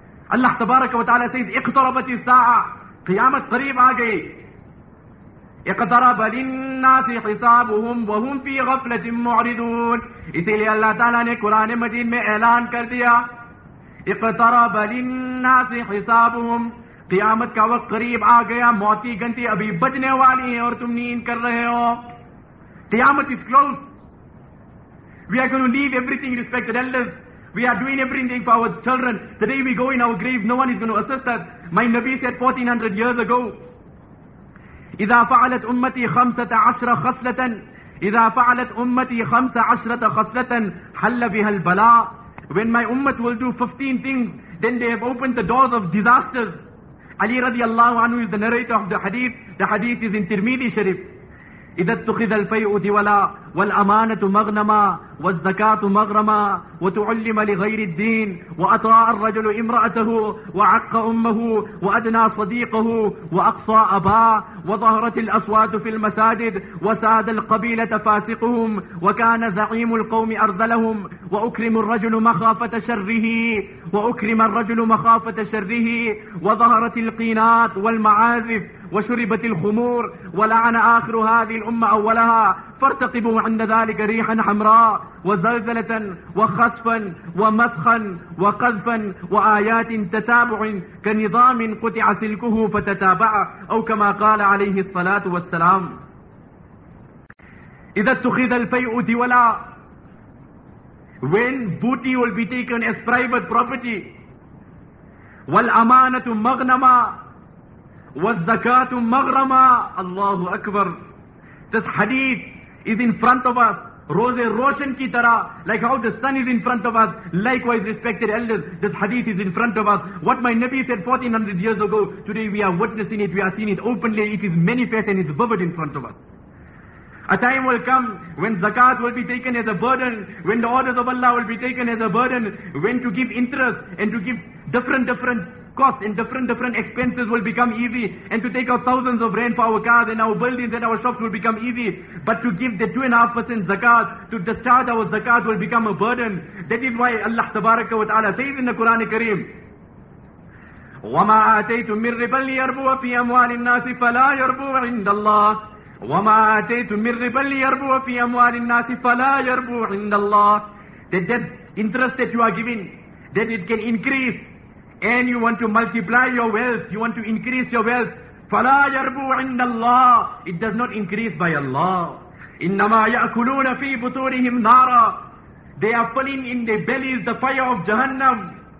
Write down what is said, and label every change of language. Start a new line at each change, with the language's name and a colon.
Arabic: Allah tabaraka wa ta'ala says, اقتربت الساعة,
Urdu: qiyamah qareeb aa gayi.
Arabic: اقترب للناس حسابهم وهم في غفلة معرضون.
Urdu: Isliye Allah ta'ala ne Quran-e-Majeed mein elan kar diya
Arabic: اقترب للناس حسابهم.
Urdu: قیامت کا وقت قریب آ گیا, موت کی گھنٹی ابھی بجنے والی ہے اور تم نیند کر رہے ہو. قیامت
English: Is close. We are going to leave everything respect elders. We are doing everything for our children. The day we go in our grave no one is going to assist us. My نبی said 1400 years ago,
Arabic: اذا فعلت امتی 15 خصلۃ, اذا فعلت امتی 15 خصلۃ حل بها البلاء.
English: When my ummah will do 15 things, then they have opened the doors of disasters. Ali radiallahu anhu is the narrator of the hadith. The hadith is in Tirmidhi Sharif.
Arabic: إِذَا اتُّخِذَ الْفَيْءُ دِوَلَا وَالْأَمَانَةُ مَغْنَمَا وَالزَّكَاةُ مَغْرَمَا وَتُعُلِّمَ لِغَيْرِ الدِّينِ وَأَطَاعَ الرَّجُلُ إِمْرَأَتَهُ وَعَقَّ أُمَّهُ وَأَدْنَى صَدِيقَهُ وَأَقْصَى أَبَاهُ وَظَهَرَتِ الْأَصْوَاتُ فِي الْمَسَاجِدِ وَسَادَ الْقَبِيلَةَ فَاسِقُهُمْ وَكَانَ زَعِيمُ الْقَوْمِ أَرْذَلَهُمْ وَأُكْرِمَ الرَّجُلُ مَخَافَةَ شَرِّهِ وَأُكْرِمَ الرَّجُلُ مَخَافَةَ شَرِّهِ وَظَهَرَتِ الْقِينَاتُ وَالْمَعَازِفُ وشربت الخمور ولعن آخر هذه الأمة أولها فارتقبوا عند ذلك ريحا حمراء وزلزلة وخسفا ومسخا وقذفا وآيات تتابع كنظام قطع سلكه فتتابع أو كما قال عليه الصلاة والسلام. إذا اتخذ الفيء دولا,
English: when booty will be taken as private property,
Arabic: والأمانة مغنما وَالزَّكَاةُ مَغْرَمًا.
English: Allahu Akbar. This hadith is in front of us,
Urdu: Rose Roshan ki tara,
English: like how the sun is in front of us. Likewise, respected elders, this hadith is in front of us. What my Nabi said 1400 years ago, today we are witnessing it, we are seeing it openly, it is manifest and it is vivid in front of us. A time will come when zakat will be taken as a burden, when the orders of Allah will be taken as a burden, when to give interest and to give different costs and different expenses will become easy, and to take out thousands of rand for our cars and our buildings and our shops will become easy. But to give the 2.5% zakat, to discharge our zakat, will become a burden. That is why Allah tabaraka wa ta'ala says in the Quran Kareem,
Arabic: وَمَا آتَيْتُم مِّن رِّبًا لِّيَرْبُوَ فِي أَمْوَالِ النَّاسِ فَلَا يَرْبُوَ عِندَ اللَّهِ وَمَا آتَيْتُم مِّن رِّبًا لِّيَرْبُوَ فِي أَمْوَالِ النَّاسِ فَلَا يَرْبُوَ عِندَ اللَّهِ.
English: That interest that you are giving, that it can increase, and you want to multiply your wealth, you want to increase your wealth,
Arabic: فَلَا يَرْبُوَ عِندَ اللَّهِ,
English: it does not increase by Allah.
Arabic: إِنَّمَا يَأْكُلُونَ فِي بُطُورِهِمْ نَارًا,
English: they are filling in their bellies the fire of Jahannam.